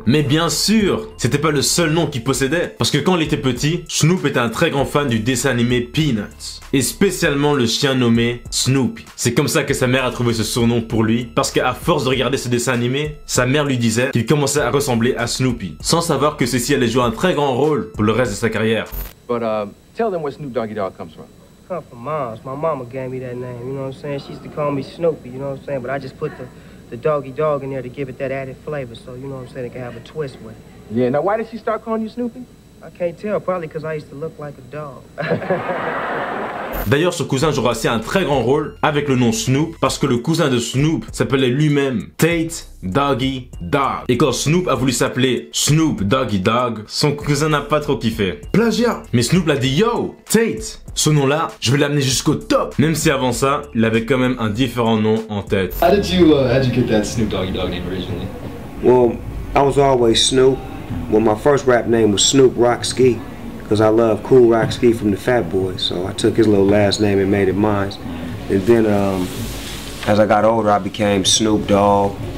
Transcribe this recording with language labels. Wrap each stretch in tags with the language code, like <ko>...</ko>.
<fr>Mais bien sûr, c'était pas le seul nom qu'il possédait, parce que quand il était petit, Snoop était un très grand fan du dessin animé Peanuts, et spécialement le chien nommé Snoopy. C'est comme ça que sa mère a trouvé ce surnom pour lui, parce qu'à force de regarder ce dessin animé, sa mère lui disait qu'il commençait à ressembler à Snoopy, sans savoir que ceci allait jouer un très grand rôle pour le reste de sa carrière.</fr> <en>But tell them where Snoop Doggy Dogg comes from. Come from Mom's. My mama gave me that name. You know what I'm saying? She used to call me Snoopy. You know what I'm saying? But I just put the doggy dog in there to give it that added flavor. So, you know what I'm saying? It can have a twist with it. Yeah. Now, why did she start calling you Snoopy? I can't tell. Probably because I used to look like a dog.</en> <fr>D'ailleurs, son cousin jouera aussi un très grand rôle avec le nom Snoop, parce que le cousin de Snoop s'appelait lui-même Tate Doggy Dogg. Et quand Snoop a voulu s'appeler Snoop Doggy Dogg, son cousin n'a pas trop kiffé. Plagiat! Mais Snoop l'a dit, yo, Tate, ce nom-là, je vais l'amener jusqu'au top. Même si avant ça, il avait quand même un différent nom en tête.</fr> <en>How did you get that Snoop Doggy Dogg name originally? Well, I was always Snoop. Well, my first rap name was Snoop Rocksky. Because I love Cool Rock Ski from the Fat Boys, so I took his little last name and made it mine. And then as I got older, I became Snoop Dogg.</en>